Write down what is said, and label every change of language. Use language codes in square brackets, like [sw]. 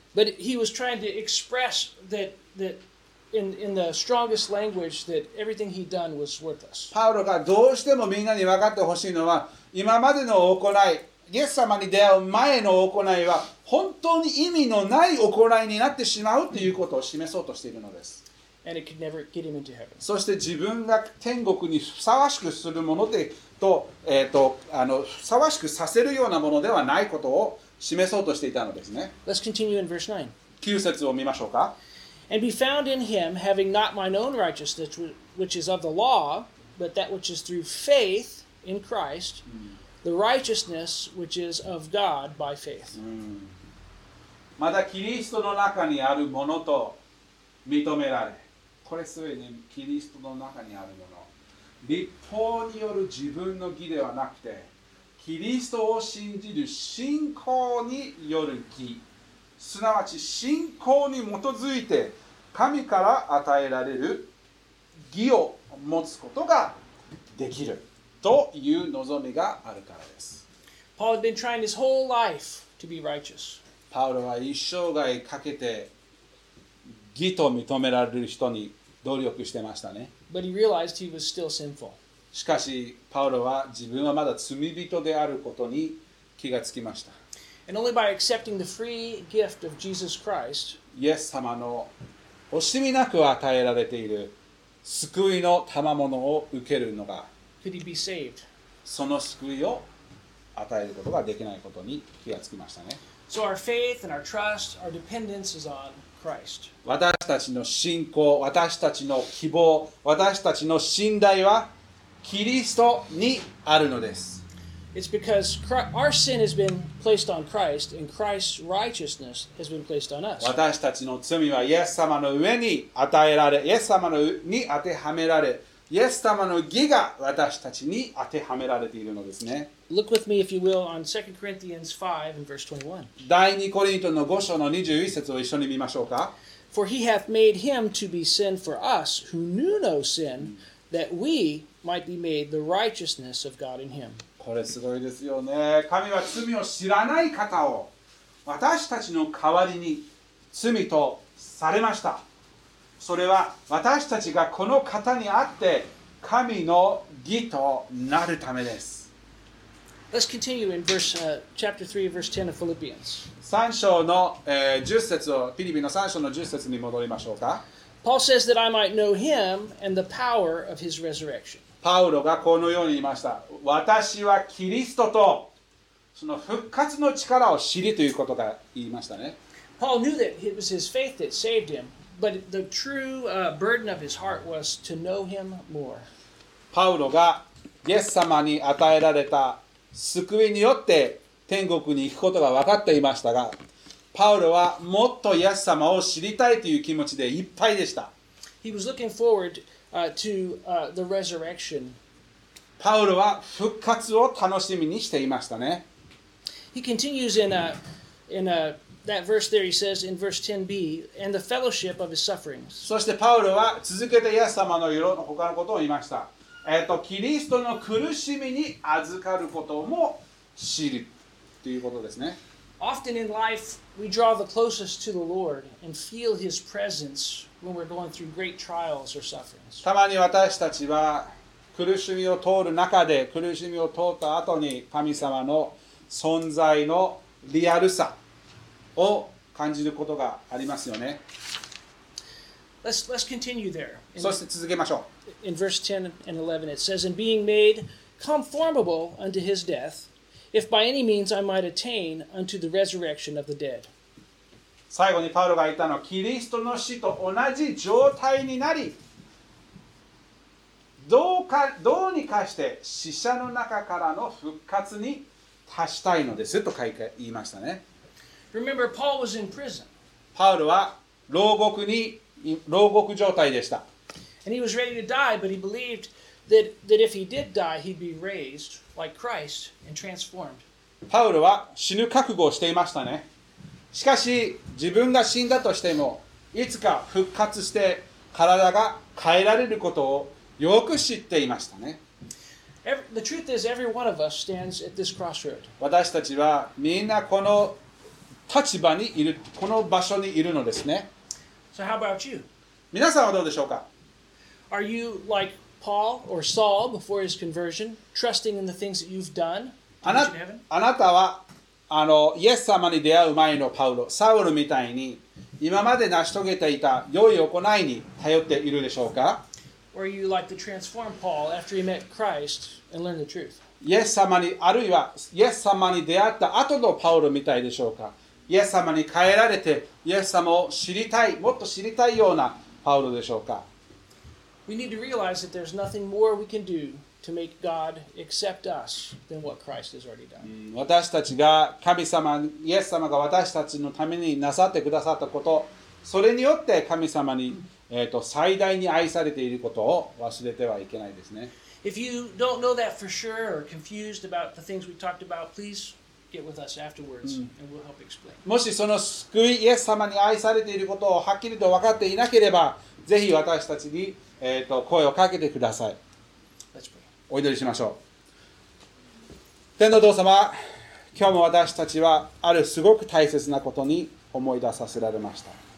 [en] But he was trying to express that in the strongest language that everything he'd done was worthless. [ja] パウロがどうしてもみんなに分かってほしいのは、今までの行い、イエス様に出会う前の行いは本当に意味のない行いになってしまうということを示そうとしているのです。 [en] And it could never get him into heaven. [ja] そして自分が天国にふさわしくするものでと、ふさわしくさせるようなものではないことを示そうとしていたのですね。 [en] Let's continue in verse [ja] 9節を見ましょうか。 [en] And be found in him, having not mine own righteousness, which is of the law, but that which is through faith in Christ, the righteousness which is of God by faith. [ja] まだキリストの中にあるものと認められ。これすべてキリストの中にあるもの。立法による自分の義ではなくて、キリストを信じる信仰による義、すなわち信仰に基づいて神から与えられる義を持つことができるという望みがあるからです。 [en] Paul had been trying his whole life to be righteous. [ja] パウロは一生涯かけて義と認められる人に努力してましたね。 [en] But he realized he was still sinful. [ja] しかし、パウロは自分はまだ罪人であることに気がつきました。 [en] And only by accepting the free gift of Jesus Christ, [ja] イエス様の惜しみなく与えられている救いの賜物を受けるのが、 [en] could he be saved? [ja] その救いを与えることができないことに気がつきましたね。 [en] So our faith and our trust, our dependence is on Christ. [ja] 私たちの信仰、私たちの希望、私たちの信頼はキリストにあるのです。 [en] It's because our sin has been placed on Christ and Christ's righteousness has been placed on us. [ja] 私たちの罪はイエス様の上に与えられ、イエス様のに当てはめられ、イエス様の義が私たちに当てはめられているのですね。 [en] Look with me, if you will, on 2 Corinthians 5 and verse 21. [ja] 第2コリントの5章の21節を一緒に見ましょうか。 [en] For he hath made him to be sin for us who knew no sin, that we might be made the righteousness of God in him. [ja] これすごいですよね。神は罪を知らない方を私たちの代わりに罪とされました。それは私たちがこの方にあって神の義となるためです。 [en] Let's continue in verse, chapter 3, verse 10 of Philippians. [ja] 3章の、10節を、ピリピの3章の10節に戻りましょうか。 [en] Paul says that I might know him and the power of his resurrection. [ja] パウロがこのように言いました。私はキリストとその復活の力を知りということが言いましたね。 [en] Paul knew that it was his faith that saved him, but the true burden of his heart was to know him more. [ja] パウロがイエス様に与えられた救いによって天国に行くことが分かっていましたが、パウロはもっとイエス様を知りたいという気持ちでいっぱいでした。 [en] He was looking forwardthe resurrection. [ja] パウロは復活を楽しみにしていましたね。 [en] He continues in that verse there, he says in verse 10b, and the fellowship of his sufferings. [ja] そしてパウロは続けてイエス様のいろんな他のことを言いました。キリストの苦しみに預かることも知るということですね。 [en] Often in life, we draw the closest to the Lord and feel his presence. When we're going through great trials or sufferings. [ja] たまに私たちは苦しみを通る中で苦しみを通った後に神様の存在のリアルさを感じることがありますよね。 [en] Let's continue there. [ja] そして続けましょう。 [en] In verse 10 and 11 it says, And being made conformable unto his death, if by any means I might attain unto the resurrection of the dead. [ja] 最後にパウロが言ったのは、キリストの死と同じ状態になり、どうにかして死者の中からの復活に達したいのですと言いましたね。 [en] Remember, Paul was in prison. [ja] パウロは牢獄状態でした。 [en] And he was ready to die, but he believed that if he did die, he'd be raised like Christ and transformed. [ja] パウロは死ぬ覚悟をしていましたね。しかし自分が死んだとしてもいつか復活して体が変えられることをよく知っていましたね。 [en] The truth is, every one of us stands at this crossroad. [ja] 私たちはみんなこの立場にいる、この場所にいるのですね。 [en] So how about you? [ja] 皆さんはどうでしょうか? [en] Are you like Paul or Saul before his conversion, trusting in the things that you've done? [ja] あなたはイエス様に出会う前のパウロ、サウロみたいに今まで成し遂げていた良い行いに頼っているでしょうか。 [en] Or you like to transform Paul after he met Christ and learned the truth. [ja] イエス様に、あるいはイエス様に出会った後のパウロみたいでしょうか。イエス様に変えられてイエス様を知りたい、もっと知りたいようなパウロでしょうか。 [en] We need to realize that there's nothing more we can dodo to make God accept us than what Christ has already done. [ja] 私たちが神様、イエス様が私たちのためになさってくださったこと、それによって神様に最大に愛されていることを忘れてはいけないですね。 [en] If you don't know that for sure or confused about the things we talked about, please get with us afterwards and we'll help explain. [ja] もしその救いイエス様に愛されていることをはっきりと分かっていなければ、ぜひ私たちに声をかけてください。お祈りしましょう。天の父様、今日も私たちはあるすごく大切なことに思い出させられました。